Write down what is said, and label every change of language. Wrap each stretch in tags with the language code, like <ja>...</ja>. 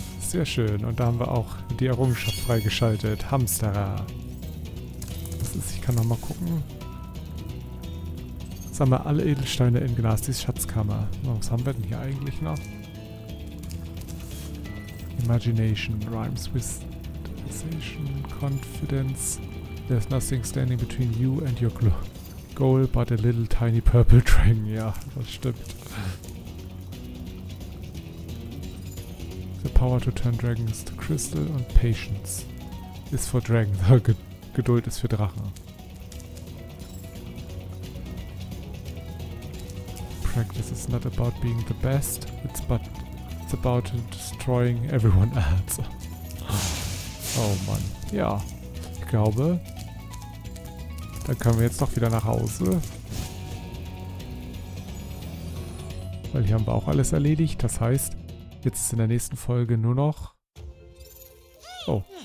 <de>Sehr schön, und da haben wir auch die Errungenschaft freigeschaltet. Hamsterer. Das ist, ich kann noch mal gucken. Jetzt haben wir alle Edelsteine in Gnastis Schatzkammer. Was haben wir denn hier eigentlich noch?</de> <en>Imagination rhymes with sensation, confidence. There's nothing standing between you and your goal but a little tiny purple dragon.</en> <de>Ja, das stimmt.</de> <en>Power to turn dragons to crystal and patience is for dragons.</en> <de>Geduld ist für Drachen.</de> <en>Practice is not about being the best, it's about destroying everyone else.</en> <de>Oh Mann. Ja, ich glaube, dann können wir jetzt doch wieder nach Hause. Weil hier haben wir auch alles erledigt, das heißt, jetzt ist in der nächsten Folge nur noch... Oh.</de>